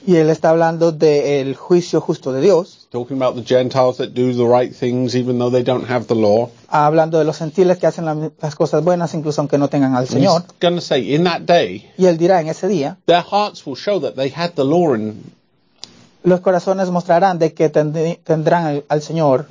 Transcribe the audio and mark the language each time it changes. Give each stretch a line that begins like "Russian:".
Spanish: Y él está hablando del juicio justo de Dios.
English: Talking about the Gentiles that do the right things even though they don't have the law.
Spanish: Hablando de los gentiles que hacen las cosas buenas incluso aunque no tengan al Señor.
English: He's going to say, in that day,
Spanish: y él dirá en ese día,
English: their hearts will show that they had the law in.
Spanish: Los corazones mostrarán de que tendrán al Señor.